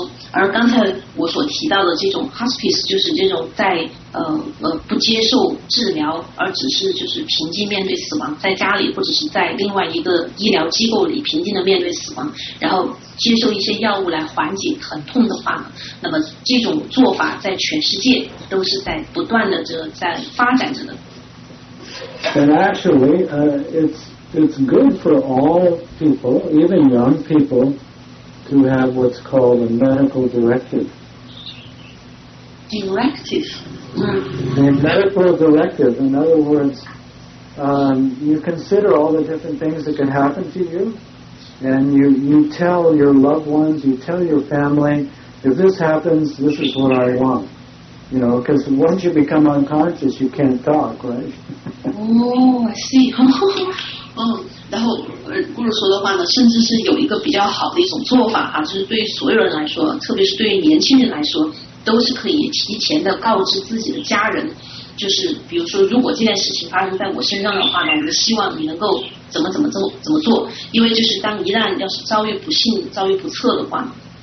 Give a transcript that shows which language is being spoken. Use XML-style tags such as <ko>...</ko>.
<zh>而刚才我所提到的这种 hospice 就是这种在不接受治疗，而只是就是平静面对死亡，在家里或者是在另外一个医疗机构里平静的面对死亡，然后接受一些药物来缓解疼痛的话呢，那么这种做法在全世界都是在不断的在发展着的。</zh> <en>And actually, it's good for all people, even young people, to have what's called a medical directive. Directive? A medical directive. In other words, you consider all the different things that can happen to you, and you tell your loved ones, you tell your family, if this happens, this is what I want. Because once you become unconscious, you can't talk, right? I see.</en> <zh>然后顾茹说的话呢，甚至是有一个比较好的一种做法哈，就是对于所有人来说，特别是对于年轻人来说，都是可以提前的告知自己的家人。就是比如说，如果这件事情发生在我身上的话呢，我就希望你能够怎么做，因为就是当一旦要是遭遇不幸、遭遇不测的话。</zh>